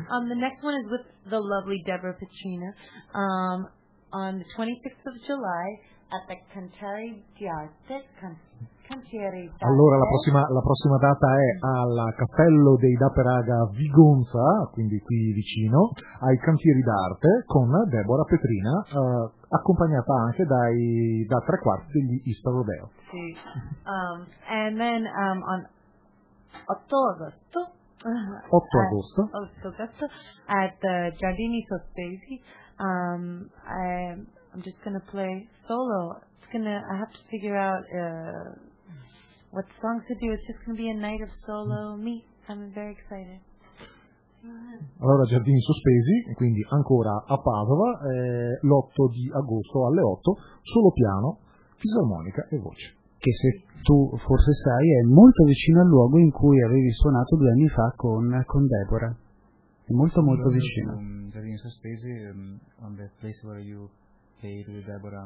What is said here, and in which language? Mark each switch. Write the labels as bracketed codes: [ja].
[en] The next one is with the lovely Deborah Pacina on the 26th of July at the Cantieri d'Arte. [it] Allora, la prossima data è al Castello dei Daperaga Vigonza, quindi qui vicino, ai Cantieri d'Arte, con Deborah Pacina, accompagnata anche da tre quarti degli Easter Rodeo. [en] Sì. And then on 8 agosto at the Giardini Sospesi, I'm just gonna play solo. I have to figure out what song to do. It's just gonna be a night of solo me. I'm very excited. [it] Allora, Giardini Sospesi, quindi ancora a Padova, l'8 di agosto alle 8, solo piano, fisarmonica e voce. Che se tu forse sai è molto vicino al luogo in cui avevi suonato 2 anni fa con Deborah. È molto molto vicino. [en] Giardini Sospesi, on the place where you played with Deborah.